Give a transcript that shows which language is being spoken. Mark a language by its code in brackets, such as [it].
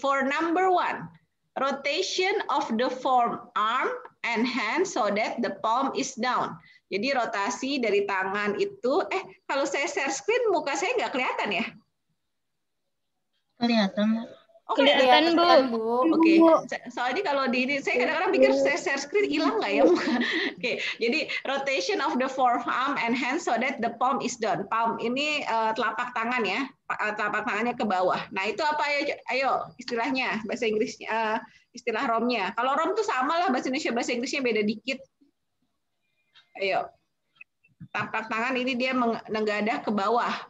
[en] For number one, rotation of the forearm and hand so that the palm is down. [id] Jadi rotasi dari tangan itu, kalau saya share screen muka saya nggak kelihatan ya? Kelihatan. Oke, oh, kelihatan, Bu. Oke. Okay. Soalnya kalau di ini saya kadang-kadang pikir saya share screen hilang enggak ya? Oke. Okay. [en] Jadi rotation of the forearm and hand so that the palm is down. [id] Palm ini telapak tangan ya. Telapak tangannya ke bawah. Nah, itu apa ya? Ayo, istilahnya bahasa Inggrisnya istilah ROM-nya. Kalau ROM itu sama lah bahasa Indonesia bahasa Inggrisnya beda dikit. Ayo. Telapak tangan ini dia menengadah ke bawah.